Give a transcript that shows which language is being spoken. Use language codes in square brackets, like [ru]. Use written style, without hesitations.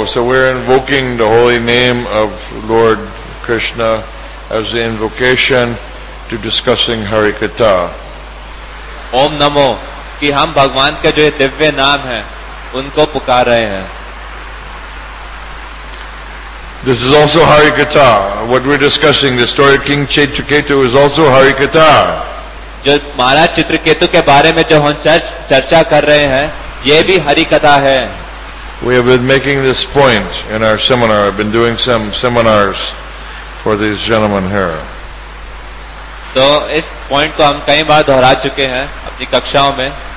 [en] So we are invoking the holy name of Lord Krishna as the invocation to discussing Hari katha. [hi] ओम नमो कि हम भगवान के जो दिव्य नाम है उनको पुकार रहे हैं. [en] This is also Hari Katha. What we're discussing, the story of King Chitraketu, is also Hari Katha. [hi] जब महाराज चित्रकेतु के बारे में जो हम चर्चा कर रहे हैं ये भी हरि कथा है. [en] We have been making this point in our seminar. I've been doing some seminars for these gentlemen here. [hi] तो इस पॉइंट को हम कई बार दोहरा चुके हैं अपनी कक्षाओं में.